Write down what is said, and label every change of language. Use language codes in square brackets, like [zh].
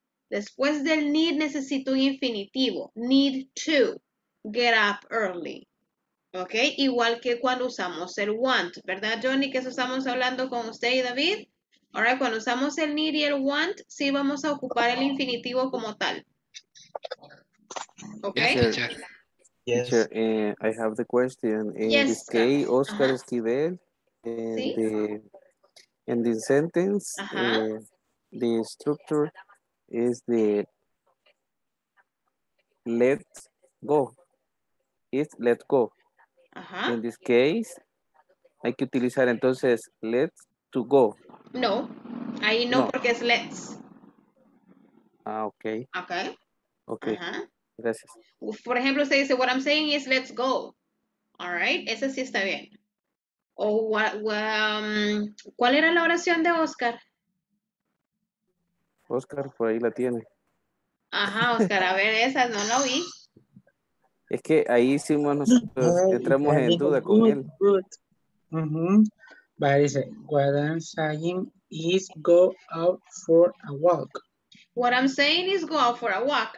[es] Después del need, necesito un infinitivo. [en] Need to get up early. [es] ¿Ok? Igual que cuando usamos el want. ¿Verdad, Johnny? Que eso estamos hablando con usted y David. Ahora, cuando usamos el need y el want, sí vamos a ocupar el infinitivo como tal. ¿Ok? Gracias, [en] Yes. Teacher, I have the question. In this case, Oscar uh-huh. Esquivel, in the sentence, the structure is the let go. It's let go. Uh-huh. In this case, [es] hay que utilizar entonces [en] let to go. [es] No, ahí no, porque es let's. [en] Ah, okay. Okay. Okay. Uh-huh. Gracias. [es] Por ejemplo, usted dice, [en] what I'm saying is let's go. [es] All right. Ese sí está bien. O, ¿cuál era la oración de Oscar? Oscar, por ahí la tiene. Ajá, Oscar, a ver, esa no la vi. Es que ahí hicimos nosotros, entramos en duda con él. Vaya, dice, [en] what I'm saying is go out for a walk. What I'm saying is go out for a walk.